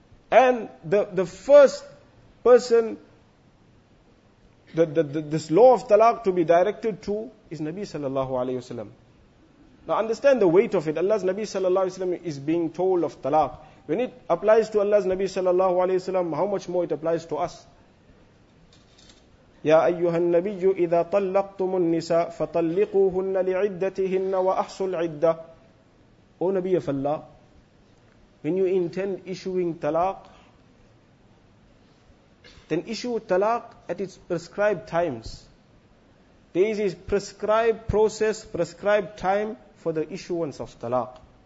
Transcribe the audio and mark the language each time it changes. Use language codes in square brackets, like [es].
[en] And the first person, this law of talaq to be directed to is Nabi sallallahu alayhi wasallam. Now understand the weight of it. Allah's Nabi sallallahu alayhi wasallam is being told of talaq. When it applies to Allah's Nabi sallallahu alayhi wasallam, how much more it applies to us? [ar] يا أيها النبي إذا طلقتم النساء فطلقوهن لعدتهن وأحصوا العدة. [en] O Nabi of Allah, when you intend issuing talaq, then issue talaq at its prescribed times. There is a prescribed process, prescribed time for the issuance of talaq.